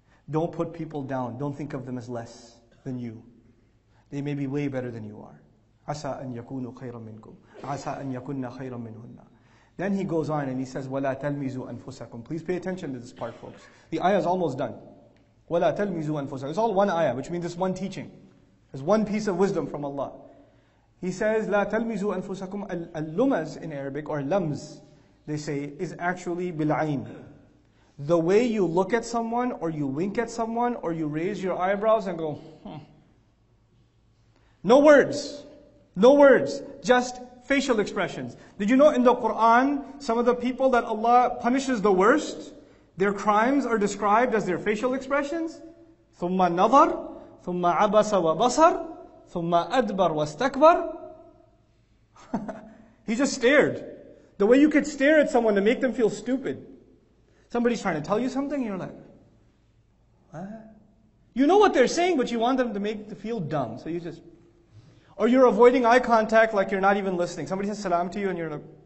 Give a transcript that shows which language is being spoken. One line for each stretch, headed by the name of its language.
English: Don't put people down. Don't think of them as less than you. They may be way better than you are.
Arabic: عَسَىٰ أَن يَكُونُوا خَيْرًا مِنْكُمْ عَسَىٰ أَن يَكُنَّ خَيْرًا مِنْهُنَّ.
English: Then he goes on and he says,
Arabic: وَلَا تَلْمِزُوا أَنفُسَكُمْ.
English: Please pay attention to this part, folks. The ayah is almost done.
Arabic: وَلَا تَلْمِزُوا أَنفُسَكُمْ.
English: It's all one ayah, which means this one teaching. It's one piece of wisdom from Allah. He says,
Arabic: لَا تَلْمِزُوا أَنفُسَكُمْ.
English: اللُّمَز in Arabic, or lams, they say, is actually
Arabic: بِالْعَيْن.
English: The way you look at someone, or you wink at someone, or you raise your eyebrows and go, No words. No words. Just facial expressions. Did you know in the Quran, some of the people that Allah punishes the worst, their crimes are described as their facial expressions?
Arabic: ثُمَّ نَظَرْ ثُمَّ عَبَسَ وَبَصَرْ ثُمَّ أَدْبَرْ وَاسْتَكْبَرْ
English: He just stared. The way you could stare at someone to make them feel stupid. Somebody's trying to tell you something, you're like, what? You know what they're saying, but you want them to make them feel dumb. So you just... Or you're avoiding eye contact like you're not even listening. Somebody says salam to you and you're like...